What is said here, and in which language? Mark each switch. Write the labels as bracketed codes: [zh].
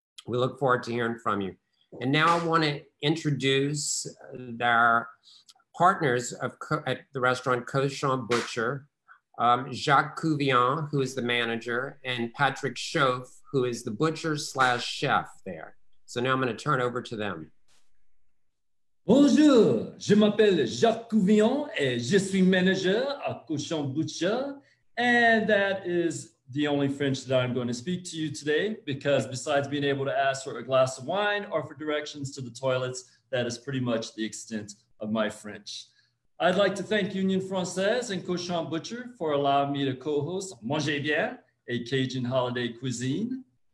[en] We look forward to hearing from you. And now I wanna introduce our partners at the restaurant Cochon Butcher. Jacques Couvillon, who is the manager, and Patrick Chauffe, who is the butcher slash chef there. So now I'm going to turn over to them. [fr] Bonjour, je m'appelle Jacques Couvillon, et je suis manager à Cochon Butcher. [en] And that is the only French that I'm going to speak to you today, because besides being able to ask for a glass of wine or for directions to the toilets, that is pretty much the extent of my French. I'd like to thank Union Française and Cochon Butcher for allowing me to co-host Mangez Bien, a Cajun holiday cuisine.